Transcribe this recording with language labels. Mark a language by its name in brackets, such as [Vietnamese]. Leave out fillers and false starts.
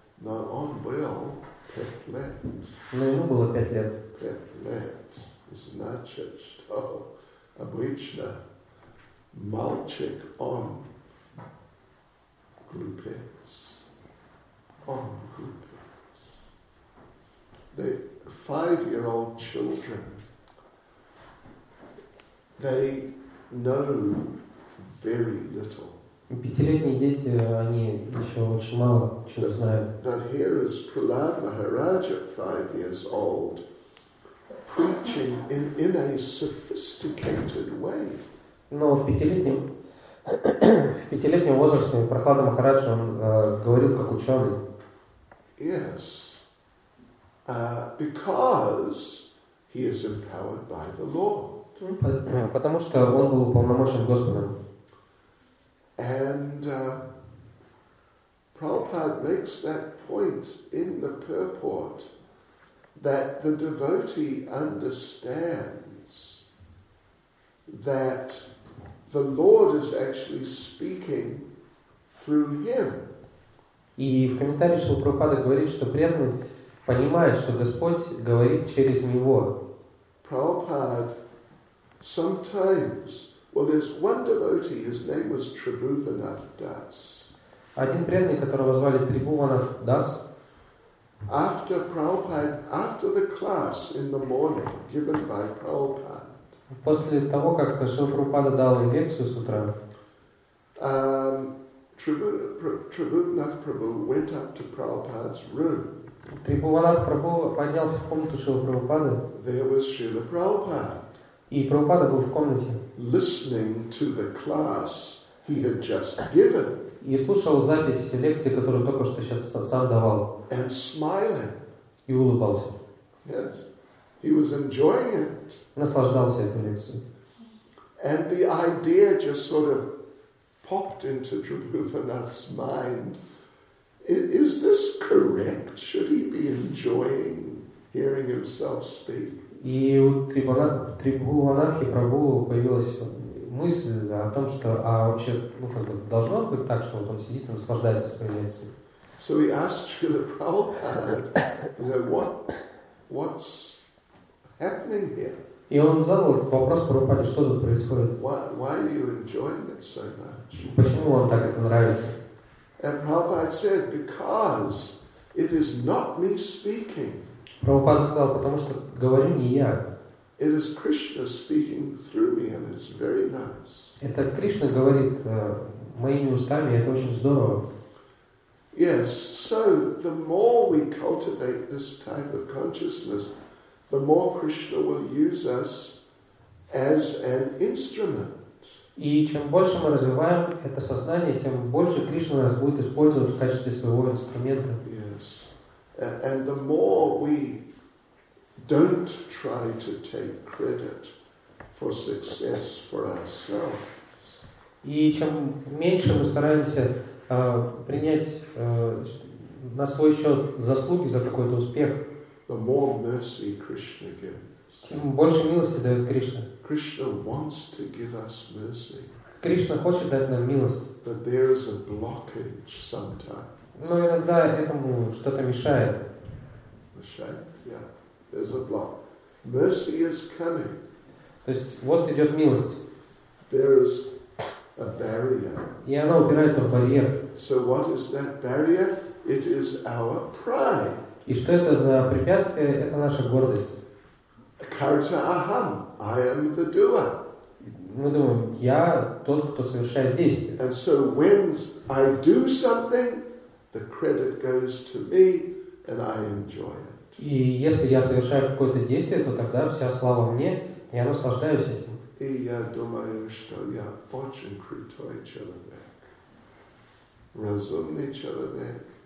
[English] No, [Russian] он был 5 лет. Но ему было 5 лет. 5 лет. Значит, что обычно мальчик, он глупец. Он глупец. [English] The 5-year-old children, they know very little. [Russian] Пятилетние дети, они еще очень мало чего знают. [English] But here is Prahlad Maharaj at 5 years old, preaching in a sophisticated way. [Russian] Но в пятилетнем возрасте Прахлада Махарадж он говорил как ученый. [English] Yes, because he is empowered by the Lord. [Russian] Потому что он был уполномочен Господом. [English] And Prabhupada makes that point in the purport that the devotee understands that the Lord is actually speaking through him. [Russian] И в комментарии Шрила Прабхупада говорит, что преданный понимает, что Господь говорит через него. [English] Prabhupada sometimes. Well, there's one devotee. His name was Tribhuvanath Das. [Russian] Один преданный, которого звали Трибхуванат Дас. [English] After Prabhupada, after the class in the morning given by Prabhupada. [Russian] После того, как Шрила Прабхупада дал лекцию с утра. [English] Tribhuvanath Prabhu went up to Prabhupada's room. [Russian] Трибхуванат Прабху поднялся в комнату Шрила Прабхупады. [English] There was Srila Prabhupada. [Russian] И Прабхупада был в комнате. [English] Listening to the class he had just given. [Russian] И слушал запись лекции, которую только что сейчас сам давал. [English] And smiling. [Russian] И улыбался. [English] Yes. He was enjoying it. [Russian] Наслаждался этой лекцией. [English] And the idea just sort of popped into Tribhuvanath's mind. Is this correct? Should he be enjoying hearing himself speak? [Russian] И у Трибхуванатхи Прабху появилась мысль о том, что вообще должно быть так, что он сидит и наслаждается своей лекцией. [English] So he asked Srila Prabhupada, you know, what's happening here? [Russian] И он задал вопрос Прабхупаде, что тут происходит. [English] Why are you enjoying it so much? [Russian] Почему вам так это нравится? [English] And Prabhupada said, because it is not me speaking. [Russian] Прабхупада сказал, потому что говорю не я. [English] It is Krishna speaking through me, and it's very nice. [Russian] Это Кришна говорит моими устами, и это очень здорово. [English] Yes, so the more we cultivate this type of consciousness, the more Krishna will use us as an instrument. [Russian] И чем больше мы развиваем это сознание, тем больше Кришна нас будет использовать в качестве своего инструмента. [English] Yes. And the more we don't try to take credit for success for ourselves. [Russian] И чем меньше мы стараемся принять на свой счет заслуги за какой-то успех, [English] the more mercy Krishna gives. [Russian] Тем больше милости дает Кришна. [English] Krishna wants to give us mercy. [Russian] Кришна хочет дать нам милость. [English] But there is a blockage sometimes. [Russian] Но иногда этому что-то мешает. Мешает, [English] yeah. There's a block. Mercy is coming. [Russian] То есть вот идет милость. [English] There is a barrier. [Russian] И она упирается в барьер. [English] So what is that barrier? It is our pride. [Russian] И что это за препятствие? Это наша гордость. [Sanskrit] Karta aham. [English] I am the doer. [Russian] Мы думаем, я тот, кто совершает действие. [English] And so when I do something, the credit goes to me, and I enjoy it. [Russian] И если я совершаю какое-то действие, то тогда вся слава мне, я наслаждаюсь этим. И я думаю, что я очень крутой человек, разумный человек.